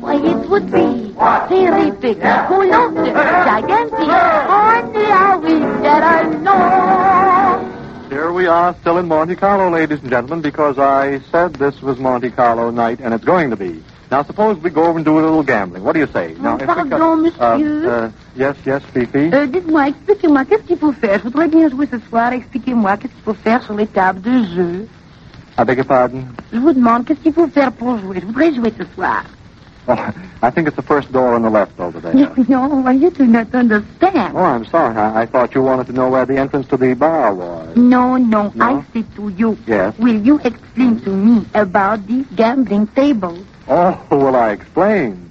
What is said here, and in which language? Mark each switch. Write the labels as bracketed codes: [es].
[en] Why, it would be terrific, colossal, gigantic, only how we'd get along. Here we are, still in Monte Carlo, ladies and gentlemen, because I said this was Monte Carlo night, and it's going to be. Now, suppose we go over and do a little gambling. What do you say? Now, [fr] oh, pardon, monsieur. [en] Yes, Fifi? [fr] Dites-moi, expliquez-moi, qu'est-ce qu'il faut faire? Je voudrais bien jouer ce soir. Expliquez-moi, qu'est-ce qu'il faut faire sur les tables de jeu? [en] I beg your pardon? [fr] Je vous demande, qu'est-ce qu'il faut faire pour jouer? Je voudrais jouer ce soir. [en] Oh, I think it's the first door on the left over there. No, well, you do not understand. Oh, I'm sorry. I thought you wanted to know where the entrance to the bar was. No. I said to you. Yes? Will you explain to me about the gambling table? Oh, will I explain?